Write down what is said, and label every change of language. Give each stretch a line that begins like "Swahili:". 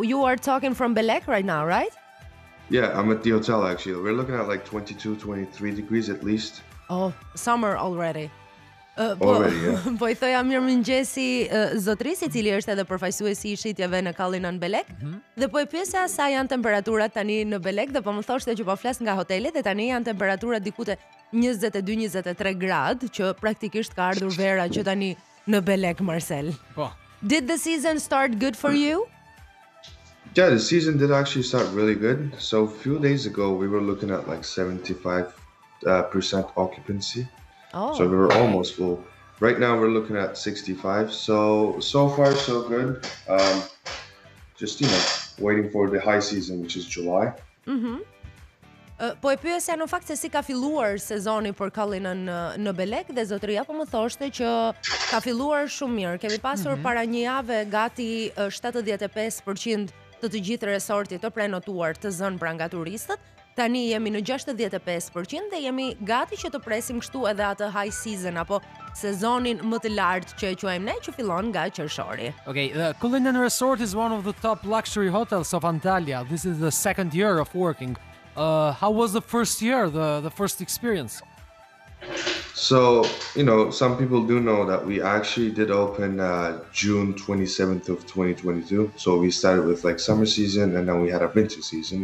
English: You are talking from Belek right now, right? Yeah, I'm at the hotel, actually. We're looking at like 22, 23 degrees at least. Oh, summer already. Already, yeah.
Albanian: Po I thoja mirë mëngjesi zotrisi, cili është edhe përfaqësuesi I shitjeve në Cullinan Belek. Dhe po e pyesja sa janë temperaturat tani në Belek, dhe po më thoshte që po flas nga hoteli, dhe tani janë temperaturat dikute 22-23 gradë, që praktikisht ka ardhur vera që tani... Në Belek, Marsel. Po.
English: Did the season start good for you? Yeah, the season did actually start really good. So a few days ago, we were looking at like 75% occupancy. Oh. So we were almost full. Right now, we're looking at 65. So far, so good. Just, you know, waiting for the high season, which is July. Mm-hmm.
Albanian: Po e pyesja në fakt se si ka filluar sezoni për Cullinan në Belek dhe zotëria po më thoshte që ka filluar shumë mirë. Kemi pasur para një jave gati 75% të të gjithë resortit të prenotuar të zënë pra nga turistët. Tani jemi në 65% dhe jemi gati që të presim kështu edhe atë
English: high season
Albanian: apo sezonin më të lartë që e quajmë ne që fillon nga qershori.
English: Okay, the Cullinan Resort is one of the top luxury hotels of Antalya. This is the second year of working. How was the first year, the first experience? So, you know, some people do know that we actually did open June 27th of 2022. So we started with like summer season and then we had our winter season.